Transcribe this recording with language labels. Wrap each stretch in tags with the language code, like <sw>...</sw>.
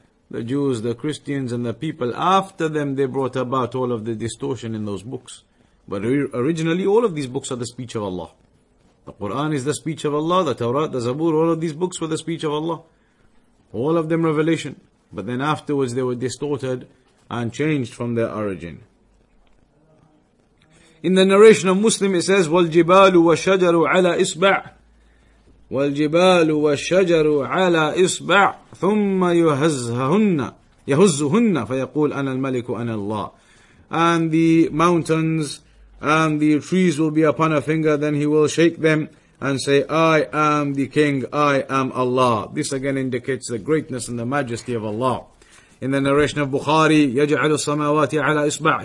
<en>The Jews, the Christians and the people after them, they brought about all of the distortion in those books. But originally, all of these books are the speech of Allah. The Quran is the speech of Allah, the Torah, the Zabur, all of these books were the speech of Allah. All of them revelation. But then afterwards they were distorted and changed from their origin.</en> <ar>In the narration of Muslim it says, وَالْجِبَالُ وَالشَّجَرُ عَلَىٰ إِصْبَعُ وَالْجِبَالُ وَالشَّجَرُ عَلَىٰ إِصْبَعُ ثُمَّ يَهُزُّهُنَّ فَيَقُولُ أَنَا الْمَلِكُ أَنَا اللَّهُ.</ar> <en>And the mountains and the trees will be upon a finger, then he will shake them and say, I am the king, I am Allah. This again indicates the greatness and the majesty of Allah. In the narration of Bukhari,</en> <ar>يَجْعَلُ السَّمَاوَاتِ عَلَىٰ إِصْبَعِ.</ar>